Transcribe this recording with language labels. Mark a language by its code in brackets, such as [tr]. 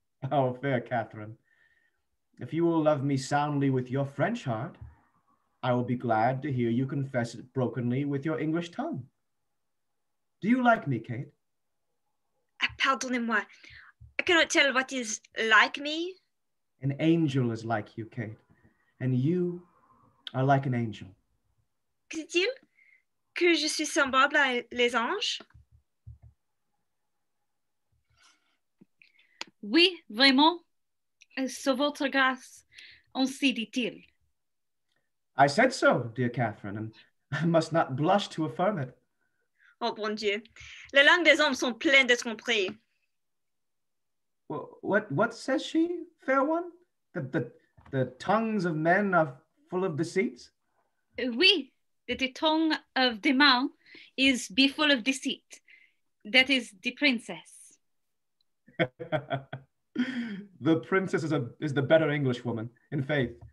[en] Oh, fair Catherine, if you will love me soundly with your French heart, I will be glad to hear you confess it brokenly with your English tongue. Do you like me, Kate? [fr] Pardonnez-moi. [en] I cannot tell what is like me. An angel is like you, Kate, and you are like an angel. [fr] Dit-il que je suis semblable à les anges? Oui, vraiment, sur votre grâce, ainsi dit-il. [en] I said so, dear Catherine, and I must not blush to affirm it. [fr] Oh, bon Dieu, les langues des hommes sont pleines de tromperies. [en] What says she, fair one? That the tongues of men are full of deceits? [fr] Oui, [en] that the tongue of the man is be full of deceit. That is the princess. The princess is the better Englishwoman, in faith.